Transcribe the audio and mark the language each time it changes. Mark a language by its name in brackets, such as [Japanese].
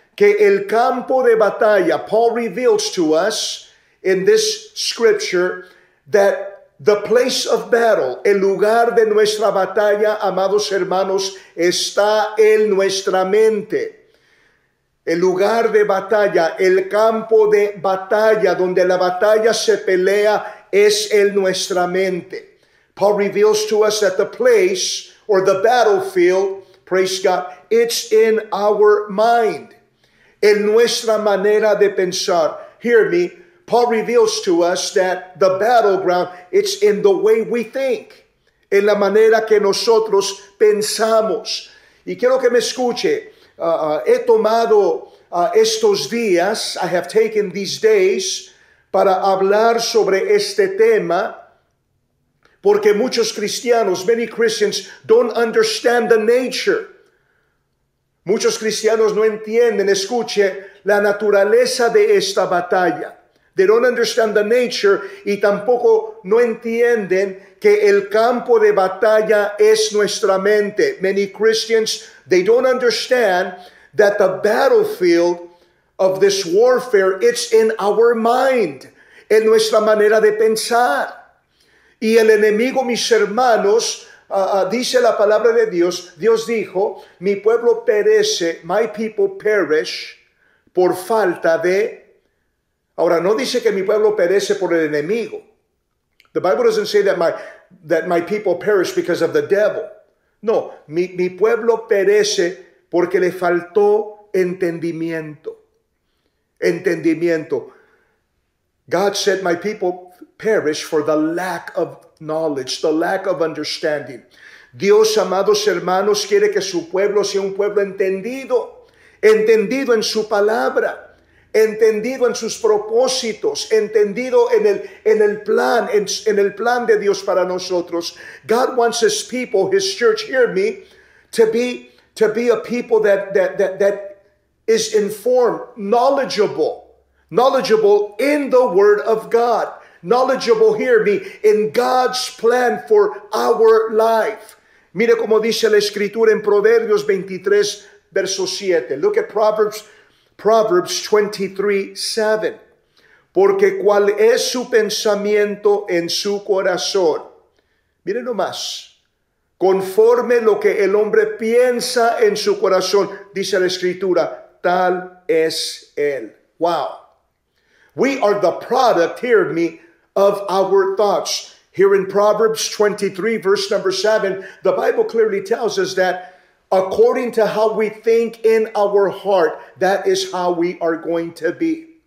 [Spanish] que el campo de batalla, [English] Paul reveals to us in this scripture that the place of battle, [Spanish] el lugar de nuestra batalla, amados hermanos, está en nuestra mente. El lugar de batalla, el campo de batalla donde la batalla se pelea es en nuestra mente. [English] Paul reveals to us that the place or the battlefield, praise God, it's in our mind. [Spanish] En nuestra manera de pensar. [English] Hear me. Paul reveals to us that the battleground, it's in the way we think. [Spanish] En la manera que nosotros pensamos. Y quiero que me escuche. He tomado estos días, [English] I have taken these days, [Spanish] para hablar sobre este tema. Porque muchos cristianos, [English] many Christians, don't understand the nature. [Spanish] Muchos cristianos no entienden, escuche, la naturaleza de esta batalla. [English] They don't understand the nature [Spanish] y tampoco no entienden que el campo de batalla es nuestra mente. [English] Many Christians, they don't understand that the battlefield of this warfare, it's in our mind, [Spanish] en nuestra manera de pensar. Y el enemigo, mis hermanos, dice la palabra de Dios, Dios dijo, mi pueblo perece, [English] my people perish, [Spanish] por falta de. Ahora, no dice que mi pueblo perece por el enemigo. [English] The Bible doesn't say that my people perish because of the devil. [Spanish] No, mi pueblo perece porque le faltó entendimiento. Entendimiento. [English] God said, my people perish for the lack of knowledge, the lack of understanding. [Spanish] Dios, amados hermanos, quiere que su pueblo sea un pueblo entendido, entendido en su palabra, entendido en sus propósitos, entendido en el plan de Dios para nosotros. [English] God wants his people, his church, hear me, to be a people that is informed, knowledgeable in the word of God. Knowledgeable, hear me, in God's plan for our life. [Spanish] Mire como dice la escritura en Proverbios 23, verso 7. [English] Look at Proverbs 23, 7. [Spanish] Porque cual es su pensamiento en su corazón. Mire nomás. Conforme lo que el hombre piensa en su corazón, dice la escritura, tal es él. [English] Wow. We are the product, hear me, of our thoughts. Here in Proverbs 23, verse number 7, the Bible clearly tells us that according to how we think in our heart, that is how we are going to be.